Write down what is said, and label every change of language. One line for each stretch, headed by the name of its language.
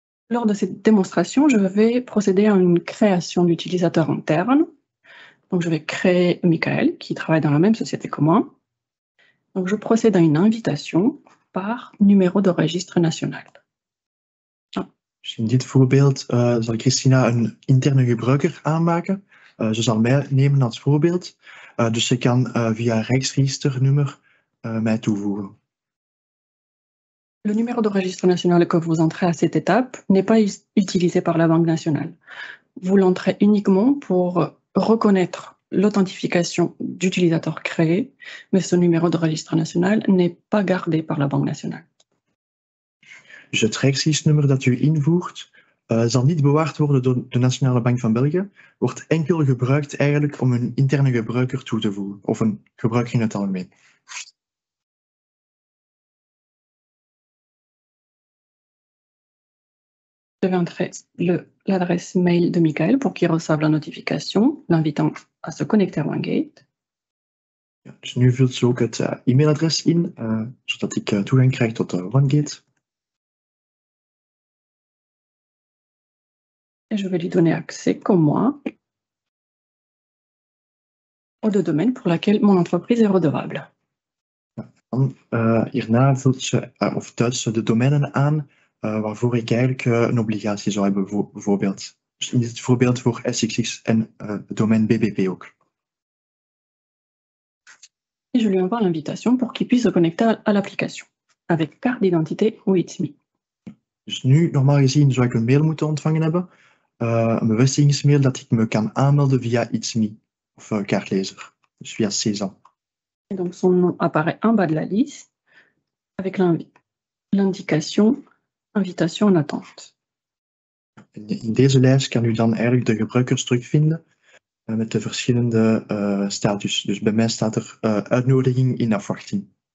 French: Lors de cette démonstration, je vais procéder à une création d'utilisateur interne. Donc, je vais créer Michael, qui travaille dans la même société que moi. Donc, je procède à une invitation par numéro de registre national. Ah.
Dutch: In dit voorbeeld zal Christina een interne gebruiker aanmaken. Ze zal mij nemen als voorbeeld. Dus ze kan via rijksregisternummer mij toevoegen.
French: Le numéro de registre national que vous entrez à cette étape n'est pas utilisé par la Banque nationale. Vous l'entrez uniquement pour reconnaître l'authentification d'utilisateur créé, mais ce numéro de registre national n'est pas gardé par la Banque nationale.
Dutch: Dus het rijksregisternummer dat u invoert zal niet bewaard worden door de Nationale Bank van België, wordt enkel gebruikt eigenlijk om een interne gebruiker toe te voegen, of een gebruiker in het algemeen.
French: Je vais entrer l'adresse mail de Michael pour qu'il reçoive la notification l'invitant à se connecter à OneGate.
Dutch: Ja, dus nu vult ze ook het e-mailadres in, zodat ik toegang krijg tot OneGate.
French: Et je vais lui donner accès, comme moi, aux deux domaines pour lesquels mon entreprise est redevable.
Dutch: Dan, hierna vult ze, of duidt ze de domeinen aan waarvoor ik eigenlijk een obligatie zou hebben, bijvoorbeeld. Dus in dit voorbeeld voor SXX en het domein BBP ook.
French: Et je lui envoie l'invitation pour qu'il puisse se connecter à l'application, avec carte d'identité ou It's Me.
Dutch: Dus nu, normaal gezien, zou ik een mail moeten ontvangen hebben. Een bevestigingsmail dat ik me kan aanmelden via It's Me, of kaartlezer, dus via CESAM.
French: Et donc son nom apparaît en bas de la liste avec l'indication invitation en attente.
Dutch: In deze lijst kan u dan eigenlijk de gebruikers terugvinden met de verschillende status. Dus bij mij staat er uitnodiging in afwachting.